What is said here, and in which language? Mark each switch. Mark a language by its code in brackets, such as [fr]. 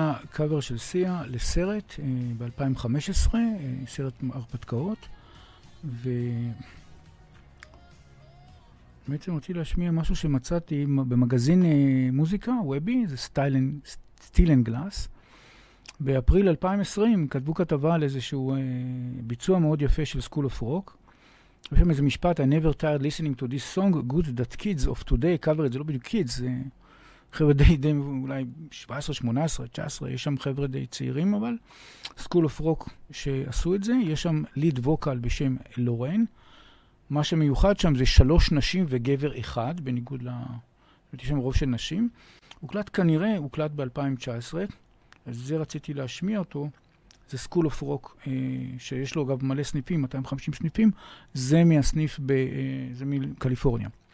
[he] קאבר של סיה לסרט ב-2015, סרט הרפתקאות, ובעצם רציתי להשמיע משהו שמצאתי במגזין מוזיקה, וובי, זה סטיל אנד גלאס. באפריל 2020 כתבו כתבה על איזשהו ביצוע מאוד יפה של סקול אוף רוק. יש שם איזה משפט, [en] I never tired listening to this song, good that kids of today cover it, [he] זה לא בדיוק [en] kids, זה... [he] חבר'ה די, אולי 17, 18, 19, יש שם חבר'ה די צעירים, אבל סקול אוף רוק שעשו את זה, יש שם ליד ווקל בשם לורן, מה שמיוחד שם זה שלוש נשים וגבר אחד, בניגוד ל... יש שם רוב של נשים, הוקלט כנראה, הוקלט ב-2019, אז זה רציתי להשמיע אותו, זה סקול אוף רוק, שיש לו אגב מלא סניפים, 250 סניפים, זה מהסניף, זה מקליפורניה.